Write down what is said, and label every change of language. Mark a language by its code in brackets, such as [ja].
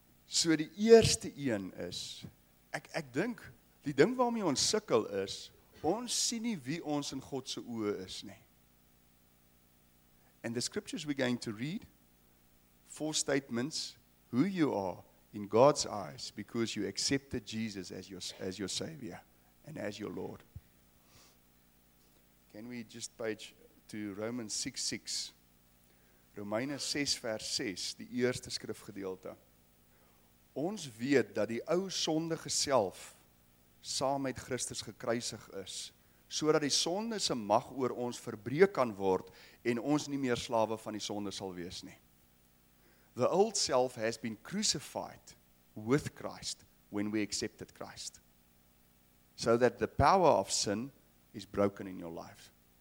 [af] So die eerste een is, ek dink, die ding waarmee ons sukkel is, ons sien nie wie ons in God se oë is nie. [en] And the scriptures we're going to read, 4 statements, who you are in God's eyes, because you accepted Jesus as your Savior and as your Lord. Can we just page to Romans 6:6? [af] Romeine 6 vers 6, die eerste skrifgedeelte. Ons weet dat die ou sondige self saam met Christus gekruisig is, sodat die sonde se mag oor ons verbreek kan word en ons nie meer slawe van die sonde sal wees nie. [en] The old self has been crucified with Christ when we accepted Christ, so that the power of sin is broken in your life.